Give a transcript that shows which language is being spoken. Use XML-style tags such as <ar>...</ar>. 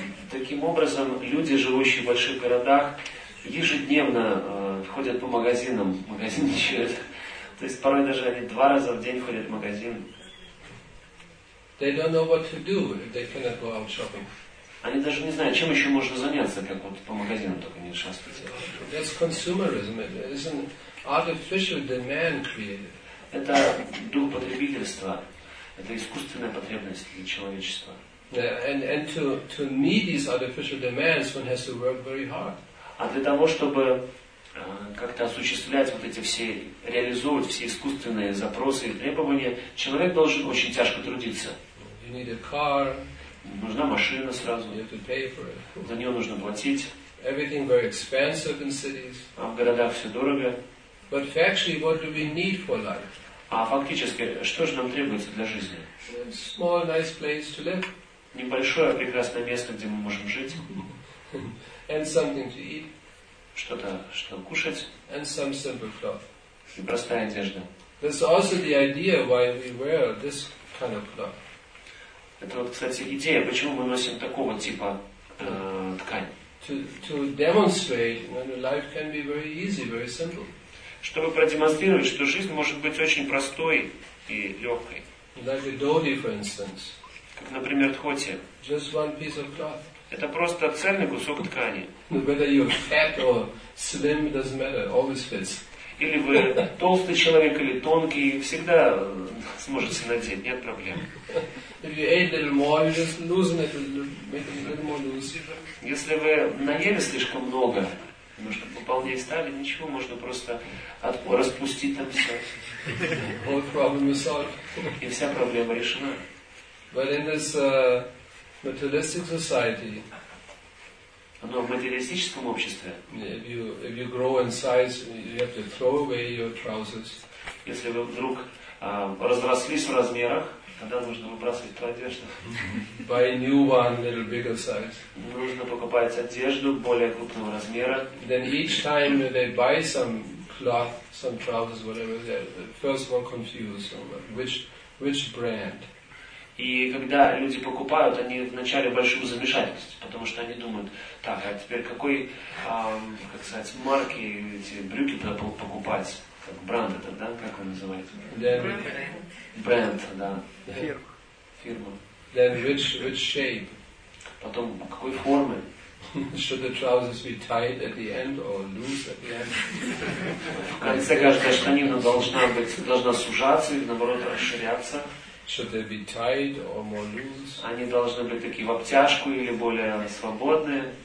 <ru>Таким образом, люди, живущие в больших городах, ежедневно ходят по магазинам, магазинничают. То есть порой даже они два раза в день ходят в магазин.</ru> <en>They don't know what to do if they cannot go out shopping.</en> <ru>Они даже не знают, чем еще можно заняться, как вот по магазинам только не шастать.</ru> <en>That's consumerism. It is an artificial demand created.</en> <ru>Это дух потребительства. Это искусственная потребность для человечества.</ru> <en>And to meet these artificial demands, one has to work very hard.</en> <ru>А для того, чтобы как-то осуществлять вот эти все, реализовывать все искусственные запросы и требования, человек должен очень тяжко трудиться.</ru> <en>You need a car.</en> <ru>Нужна машина сразу.</ru> <en>You have to pay for it.</en> <ru>За нее нужно платить.</ru> <en>Everything very expensive in cities.</en> <ru>А в городах все дорого.</ru> <en>But factually, what do we need for life?</en> <ru>А фактически, что же нам требуется для жизни?</ru> <en>A small, nice place to live.</en> <ru>Небольшое прекрасное место, где мы можем жить.</ru> <en>And something to eat.</en> <ru>Что-то, что кушать.</ru> <en>And some simple cloth.</en> <ru>И простая одежда.</ru> <en>This is also the idea why we wear this kind of cloth.</en> <ru>Это вот, кстати, идея, почему мы носим такого типа ткань.</ru> <en>To demonstrate when life can be very easy, very simple.</en> <ru>Чтобы продемонстрировать, что жизнь может быть очень простой и легкой.</ru> <en>Like a dhoti, for instance.</en> <ru>Как, например, дхоти.</ru> <en>Just one piece of cloth.</en> <ru>Это просто цельный кусок ткани.</ru> <en>Whether you're fat or slim, doesn't matter. Always fits.</en> <ru>Или вы толстый человек или тонкий, всегда сможете надеть, нет проблем.</ru> <en>If you ate a little more, you just loosen it, make it a little more loose.</en> <ru>Если вы наели слишком много, немножко пополнее стали, ничего, можно просто распустить там все.</ru> <en>All problem is solved.</en> <ru>И вся проблема решена.</ru> <en>But in this materialistic society.</en> <ru>Но в материалистическом обществе.</ru> <en>If you grow in size, you have to throw away your trousers.</en> <ru>Если вы вдруг разрослись в размерах, тогда нужно выбрасывать ту одежду.</ru> <en>Buy a new one, little bigger size.</en> <ru>Нужно покупать одежду более крупного размера.</ru> <en>Then each time they buy some cloth, some trousers, whatever, they're first of all confused, which brand.</en> <ru>И когда люди покупают, они вначале в большом замешательстве, потому что они думают, так, а теперь какой, как сказать, марки эти брюки покупать, как бренд это, да, как он называется? Бренд, да. Фирма.</ru> <en>Then which shape?</en> <ru>Потом какой формы?</ru> <en>Should the trousers be tied at the end or loose at the end?</en> <ru>В конце каждая штанина должна сужаться или наоборот расширяться.</ru> <en>Should they be tied or more loose?</en> <ru>Они должны быть такие в обтяжку или более свободные.</ru>